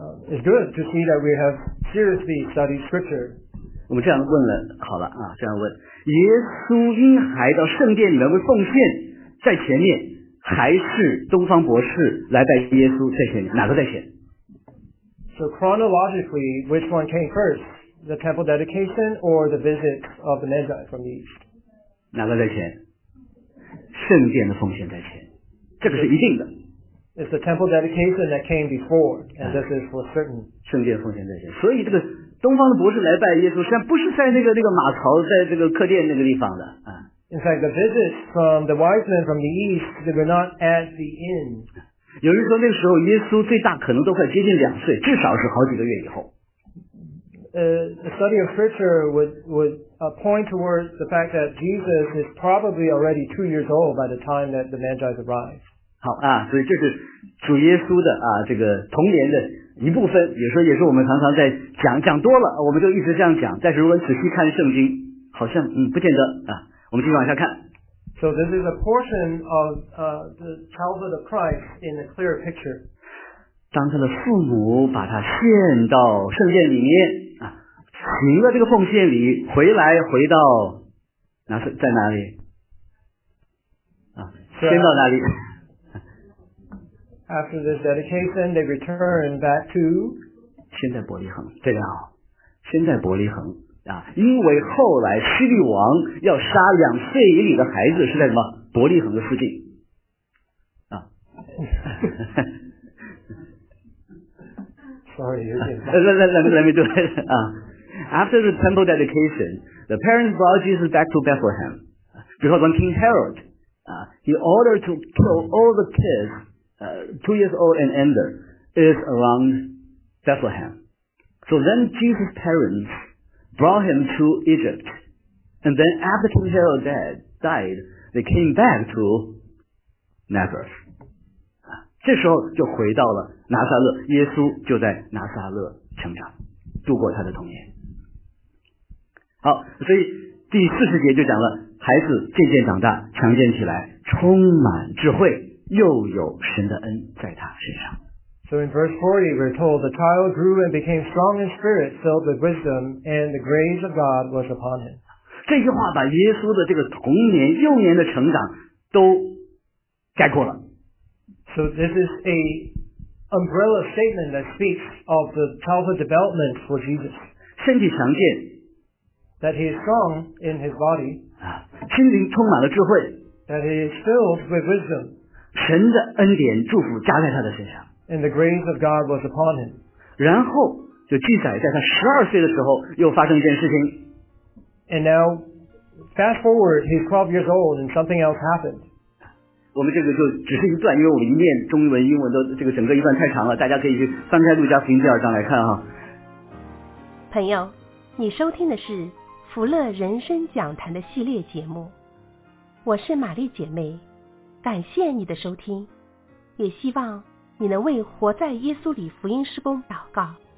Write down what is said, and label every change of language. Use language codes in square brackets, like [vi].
[en] It's good to see that we have seriously studied scripture. [zh] 我们这样问了，好了这样问：耶稣婴孩到圣殿里面为奉献在前面，还是东方博士来拜耶稣在前面？哪个在前 [en] ？So chronologically, which one came first, the temple dedication or the visit of the Magi from the east? [zh] 哪个在前？圣殿的奉献在前，这个是一定的。 [en] It's the temple dedication that came before, and this is for certain. [zh] 圣殿奉献在前，所以这个。东方的博士来拜耶稣，实际上不是在那个马槽，在这个客店那个地方的 [en] In fact, the visits from the wise men from the east they were not at the inn. [zh] 有人说那个时候耶稣最大可能都快接近两岁，至少是好几个月以后。 [en] The study of scripture would point towards the fact that Jesus is probably already 2 years old by the time that the Magi arrive. [zh] 好所以这是主耶稣的这个童年的。一部分有时候也是我们常常在讲多了我们就一直这样讲但是如果仔细看圣经好像不见得我们继续往下看 [en] So this is a portion of the childhood of Christ in a clear picture [zh] 当他的父母把他献到圣殿里面行了这个奉献礼回来回到在哪里先到哪里 [en] After this dedication, they return back to. [zh] 先在伯利恒，对的先在伯利恒因为后来希律王要杀两岁以里的孩子是在什么伯利恒的附近 [en] Sorry, let me do it. After the temple dedication, the parents brought Jesus back to Bethlehem because when King Herod, he ordered to kill all the kids. 2 years old and under is around Bethlehem. So then Jesus' parents brought him to Egypt. And then after King Herod died, they came back to Nazareth. [zh] 这时候就回到了拿撒勒，耶稣就在拿撒勒成长，度过他的童年。好，所以第40节就讲了，孩子渐渐长大，强健起来，充满智慧，又有神的恩在他身上。 [en] So in verse 40, we're told the child grew and became strong in spirit, filled with wisdom, and the grace of God was upon him. [zh] 这句话把耶稣的这个童年、幼年的成长都概括了。 [en] So this is a umbrella statement that speaks of the childhood development for Jesus. [zh] 身体强健。 [en] That he is strong in his body. [zh] 心灵充满了智慧。 [en] That he is filled with wisdom. [zh] 神的恩典祝福加在他的身上。 [en] And the grace of God was upon him. [zh] 然后就记载在他12岁的时候又发生一件事情。 [en] And now, fast forward, he's 12 years old and something else happened. [zh] 我们这个就只是一段，因为我们一念中文英文的这个整个一段太长了，大家可以去翻开路加福音第二章来看哈。朋友，你收听的是福乐人生讲坛的系列节目，我是玛丽姐妹，感谢你的收听，也希望你能为活在耶稣里福音事工祷告。